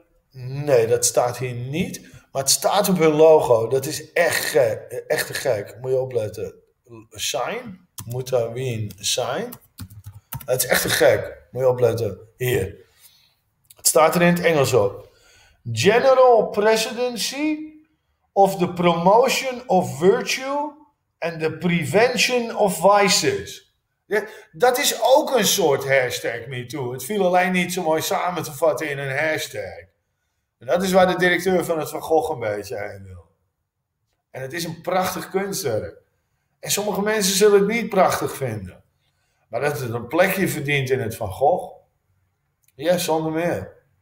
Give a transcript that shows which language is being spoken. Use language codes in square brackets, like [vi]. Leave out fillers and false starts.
[nl] Nee, dat staat hier niet. Maar het staat op hun logo. Dat is echt gek. Echt te gek. Moet je opletten. Sign. Mutawin sign. Het is echt te gek. Moet je opletten. Hier. Het staat er in het Engels op. [en] General Presidency of the Promotion of Virtue and the Prevention of Vices. [nl] Ja, dat is ook een soort hashtag MeToo. Het viel alleen niet zo mooi samen te vatten in een hashtag. En dat is waar de directeur van het Van Gogh een beetje heen wil. En het is een prachtig kunstwerk. En sommige mensen zullen het niet prachtig vinden. Maar dat het een plekje verdient in het Van Gogh. Ja, zonder meer.